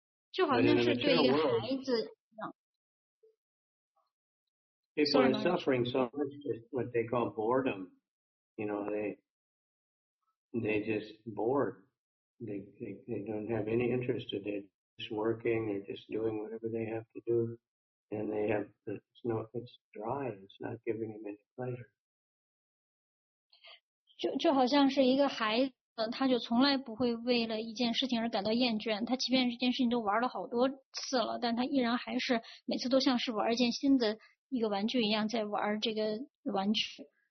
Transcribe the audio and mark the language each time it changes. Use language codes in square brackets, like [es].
[zh] 就好像是对一个孩子一样。 [en] People are suffering so much, just what they call boredom. You know, they just bored. They don't have any interest in it. They're just working, they're just doing whatever they have to do. And they have, it's dry, it's not giving them any pleasure. [zh] 就好像是一个孩子。他就从来不会为了一件事情而感到厌倦，他即便这件事情都玩了好多次了，但他依然还是每次都像是玩一件新的一个玩具一样在玩这个玩具。